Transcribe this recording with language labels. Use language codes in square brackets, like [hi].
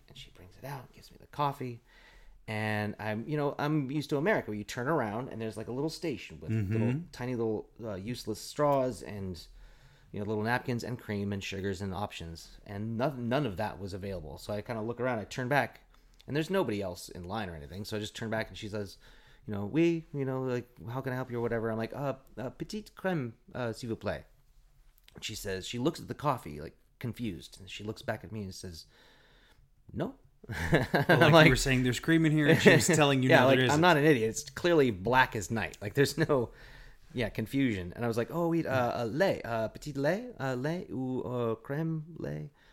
[en] And she brings it out, gives me the coffee. And I'm, you know, I'm used to America where you turn around and there's like a little station with little useless straws and, you know, little napkins and cream and sugars and options. And none of that was available. So I kind of look around, I turn back, and there's nobody else in line or anything. So I just turn back and she says, you know, oui, you know, like, how can I help you or whatever? I'm like, [fr] petite crème, s'il vous plaît. [en] She says, she looks at the coffee, like, confused. And she looks back at me and says, no. Well, like, I'm like, you were saying, there's cream in here. And she was telling you, yeah, no, like, there isn't. I'm not an idiot. It's clearly black as night. Like, there's no, yeah, confusion. And I was like, oh, [fr] oui, lait, petite lait, lait, ou crème, lait.